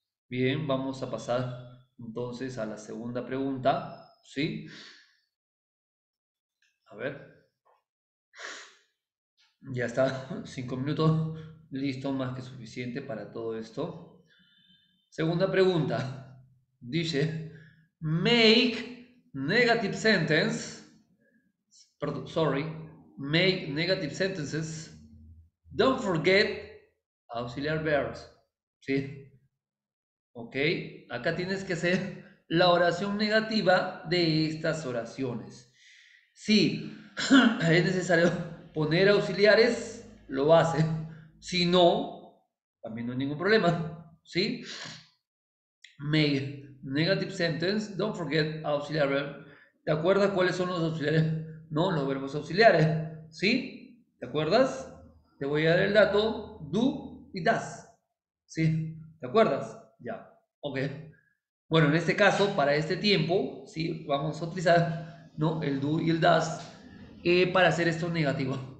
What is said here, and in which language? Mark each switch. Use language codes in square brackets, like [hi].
[es] Bien, vamos a pasar entonces a la segunda pregunta. ¿Sí? A ver. Ya está, 5 minutos. Listo, más que suficiente para todo esto. Segunda pregunta. Dice, [en] make negative sentence. [es] Perdón, [en] sorry. Make negative sentences. Don't forget auxiliar verbs. [es] ¿Sí? Ok, acá tienes que hacer la oración negativa de estas oraciones. Si es necesario poner auxiliares, lo hace. Si no, también no hay ningún problema. ¿Sí? [en] Make negative sentence, don't forget auxiliar. [es] ¿Te acuerdas cuáles son los auxiliares? No, los verbos auxiliares. ¿Sí? ¿Te acuerdas? Te voy a dar el dato, do y does. ¿Sí? ¿Te acuerdas? Ya. Ok, bueno, en este caso, para este tiempo, sí, vamos a utilizar, ¿no?, el do y el does para hacer esto negativo.